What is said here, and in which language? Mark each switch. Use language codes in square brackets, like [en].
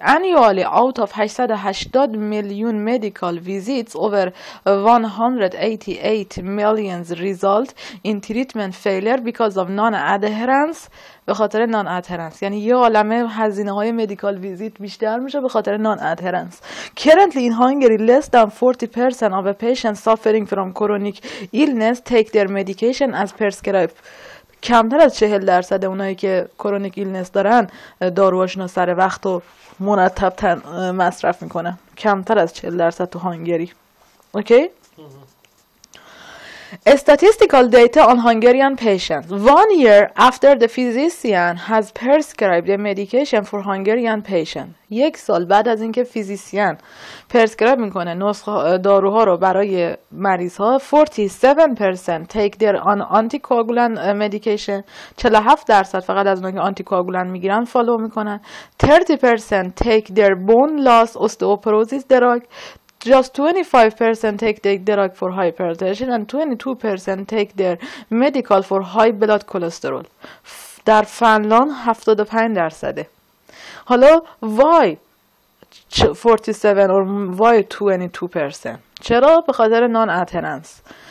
[en] Annually, out of 880 million medical visits, over 188 million result in treatment failure because of non-adherence. [fa] به خاطر نان ادهرنس، یعنی یه عالمه هزینه های مدیکال ویزیت بیشتر میشه به خاطر نان ادهرنس. [en] Currently in Hungary less than 40% of a patient suffering from chronic illness take their medication as prescribed. [fa] کمتر از 40% اونایی که chronic illness دارن داروهاشون سر وقت و مرتب مصرف میکنن. کمتر از 40% تو هانگری. اوکی؟ [en] Statistical data on Hungarian patients. 1 year after the physician has prescribed a medication for Hungarian patient. [fa] یک سال بعد از اینکه فیزیسیان پرسکرایب میکنه نسخه داروها رو برای مریض ها 47% [en] take their anticoagulant medication. [fa] 47% فقط از اونها که anticoagulant میگیرن فالو میکنن. [en] 30% take their bone loss osteoporosis drug. Just 25% take the drug for hypertension and 22% take their medical for high blood cholesterol. [fa] در فنلاند 75%. حالا [en] why 47 or why 22%؟ [fa] چرا؟ به خاطر non-adherence.